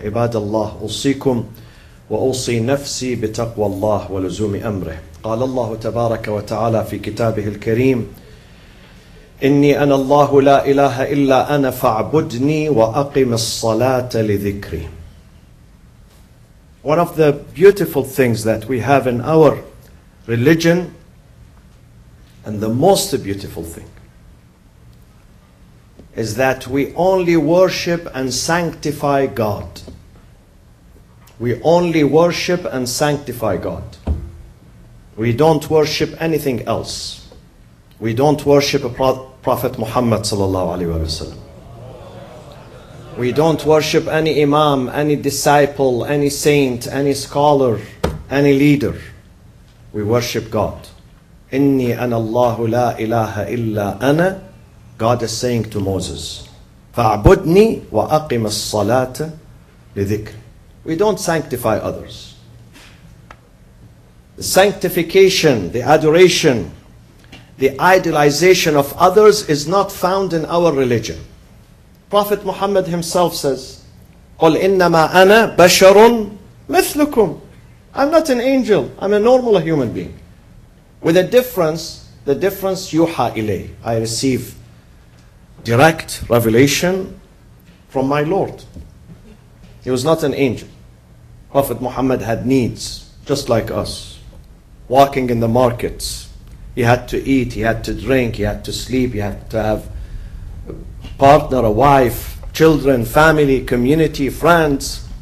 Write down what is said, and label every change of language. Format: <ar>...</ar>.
<ar>عباد الله، أوصيكم وأوصي نفسي بتقوى الله ولزوم أمره. قال الله تبارك وتعالى في كتابه الكريم: إني أنا الله لا إله إلا أنا فاعبدني وأقم الصلاة لذكري.</ar> <en>One of the beautiful things that we have in our religion, and the most beautiful thing, is that we only worship and sanctify God. We only worship and sanctify God. We don't worship anything else. We don't worship Prophet Muhammad sallallahu alaihi wasallam. We don't worship any imam, any disciple, any saint, any scholar, any leader. We worship God.</en> <ar>Inni ana Allahu la ilaha illa ana.</ar> <en>God is saying to Moses,</en> <ar>fa'budni wa aqim as-salata li dhikri.</ar> <en>We don't sanctify others. The sanctification, the adoration, the idolization of others is not found in our religion. Prophet Muhammad himself says,</en> <ar>قُلْ إِنَّمَا أَنَا بَشَرٌ مِثْلُكُمْ.</ar> <en>I'm not an angel, I'm a normal human being. With a difference, the difference</en> <ar>يُوحَى إِلَيْهِ.</ar> <en>I receive direct revelation from my Lord. He was not an angel. Prophet Muhammad had needs, just like us. Walking in the markets, he had to eat, he had to drink, he had to sleep, he had to have a partner, a wife, children, family, community, friends.</en>